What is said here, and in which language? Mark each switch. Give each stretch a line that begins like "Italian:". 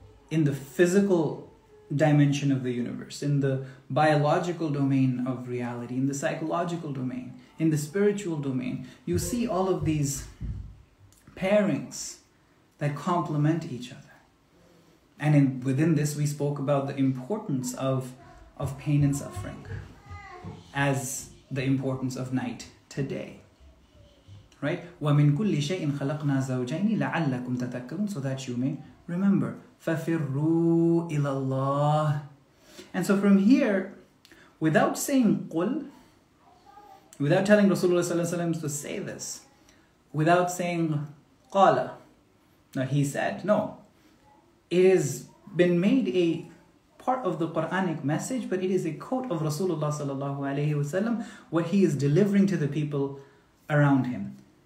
English: In the physical dimension of the universe, in the biological domain of reality, in the psychological domain, in the spiritual domain, you see all of these pairings that complement each other. And within this, we spoke about the importance of pain and suffering as the importance of night today. Right?
Arabic: وَمِنْ كُلِّ شَيْءٍ خَلَقْنَا زَوْجَيْنِ لَعَلَّكُمْ تَتَكَّرُونَ,
English: so that you may remember.
Arabic: فَفِرُّوا إِلَى اللَّهِ.
English: And so from here, without saying قُل, without telling Rasulullah sallallahu alaihi wasallam to say this, without saying قَالَ, now he said, no. It has been made a part of the Quranic message, but it is a quote of Rasulullah sallallahu alaihi wasallam, what he is delivering to the people around him.